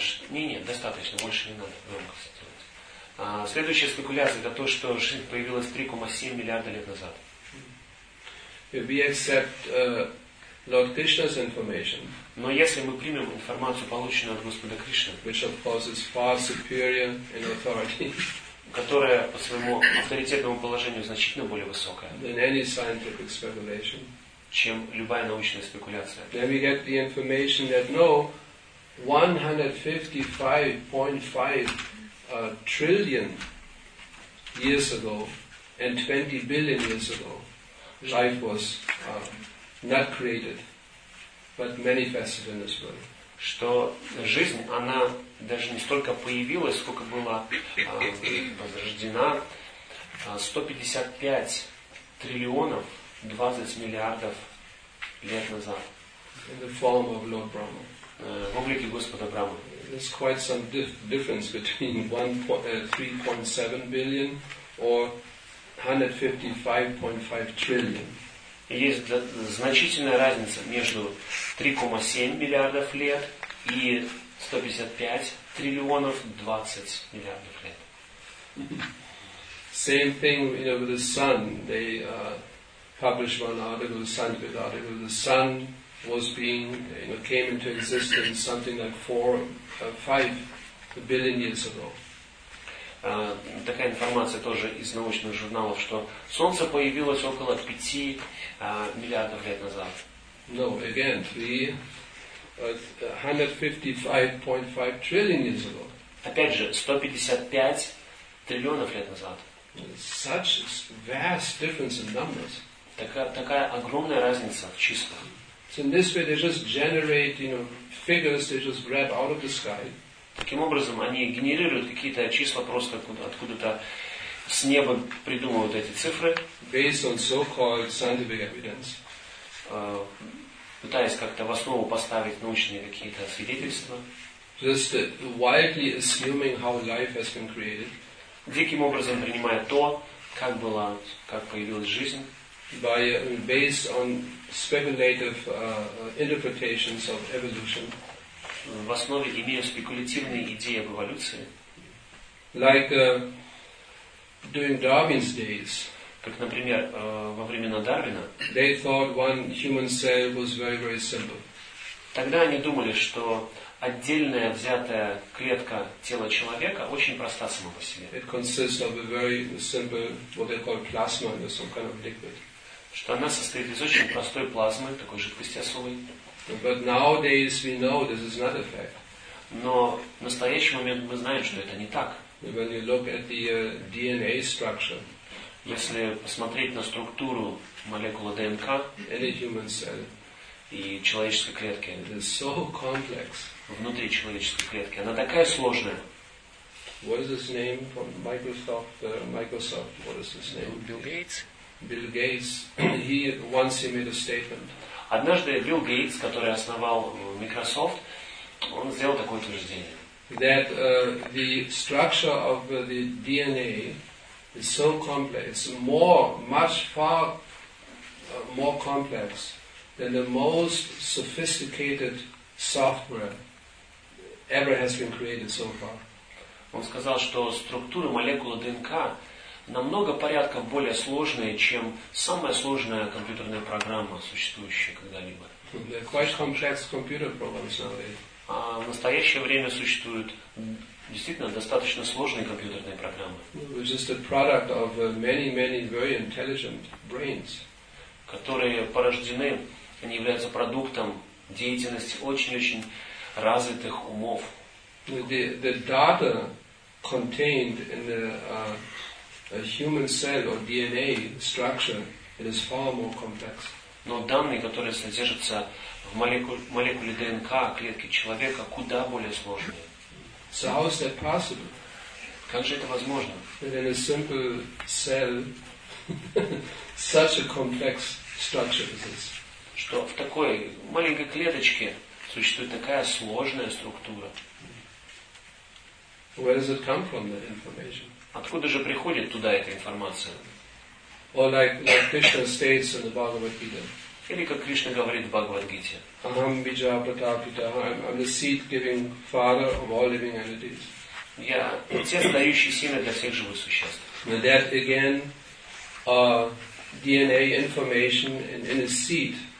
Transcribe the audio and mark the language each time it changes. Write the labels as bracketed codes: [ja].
[ru] Не-не, достаточно, больше не надо громкость делать. Следующая спекуляция – это то, что жизнь появилась 3,7 миллиарда лет назад. [en] We accept, Lord Krishna's information, [ru] но если мы примем информацию, полученную от Господа Кришны, [en] which of course is far superior in authority, [ru] которая по своему авторитетному положению значительно более высокая, [en] than any scientific speculation, [ru] чем любая научная спекуляция, [en] then we get the information that no, 155.5 trillion years ago and 20 billion years ago life was not created, but manifested in this world. [ru] Что жизнь, она даже не столько появилась, сколько была возрождена 155 триллионов 20 миллиардов лет назад. [en] In the form of Lord Brahma. [ru] В облике Господа Брамы. [en] There's quite some difference between 3.7 billion or 155.5 trillion. [ru] Есть значительная разница между 3,7 миллиардов лет и 155 триллионов 20 миллиардов лет. [en] Same thing, you know, with the sun. They published one article, scientific article. The sun was being, you know, came into existence something like 4-5 billion years ago. [ru] Такая информация тоже из научных журналов, что Солнце появилось около 5 миллиардов лет назад. [en] No, again, 155.5 trillion years ago. [ru] Опять же, 155 триллионов лет назад. [en] Such vast difference in numbers. [ru] Такая огромная разница в числах. [en] So in this way they just generate, you know, figures they just grab out of the sky. [ru] Таким образом, они генерируют какие-то числа просто откуда-то с неба, придумывают эти цифры, [en] based on so-called scientific evidence, [ru] пытаясь как-то в основу поставить научные какие-то свидетельства, [en] just widely assuming how life has been created, [ru] диким образом принимая то, как была, как появилась жизнь, [en] by based on speculative interpretations of evolution. [ru] В основе имеют спекулятивные идеи об эволюции. [en] Like during Darwin's days, [ru] как, например, во времена Дарвина, [en] they thought one human cell was very, very simple. [ru] Тогда они думали, что отдельная взятая клетка тела человека очень проста сама по себе. [en] It consists of a very simple, what they call plasma, or some kind of liquid. [ru] Что она состоит из очень простой плазмы, такой жидкости особой. [en] But nowadays we know this is not a fact. [ru] Но в настоящий момент мы знаем, что это не так. [en] When you look at the DNA structure, [ru] если посмотреть на структуру молекулы ДНК, [en] any human cell, [ru] и человеческой клетки, [en] it is so complex. [ru] Внутри человеческой клетки она такая сложная. [en] What is his name from Microsoft? Microsoft. What is his name? Bill Gates. Bill Gates. He once he made a statement. [ru] Однажды Билл Гейтс, который основал Microsoft, он сделал такое утверждение. [en] That the structure of the DNA is so complex, much more complex than the most sophisticated software ever has been created so far. [ru] Он сказал, что структура молекулы ДНК намного порядков более сложные, чем самая сложная компьютерная программа, существующая когда-либо. [en] They're quite complex computer programs nowadays. [ru] А в настоящее время существуют действительно достаточно сложные компьютерные программы. [en] Which is the product of many, many very intelligent brains. [ru] Которые порождены, они являются продуктом деятельности очень-очень развитых умов. [en] The data contained in the a human cell or DNA structure, it is far more complex. [ru] Но данные, которые содержатся в молекуле ДНК клетки человека, куда более сложные. [en] So how is that possible? [ru] Как же это возможно? [en] In a simple cell, such a complex structure is this. [ru] Что в такой маленькой клеточке существует такая сложная структура? [en] Where does it come from, the information? [ru] Откуда же приходит туда эта информация? [en] Or like Krishna states in the Bhagavad Gita. [ru] Или как Кришна говорит в Бхагавад-гите. [sa] Aham bija pratapita, [en] I'm the seed-giving father of all living entities. [ru] Я тесто, дающий семя для всех живых существ. [en] Now that again, DNA information in a seed.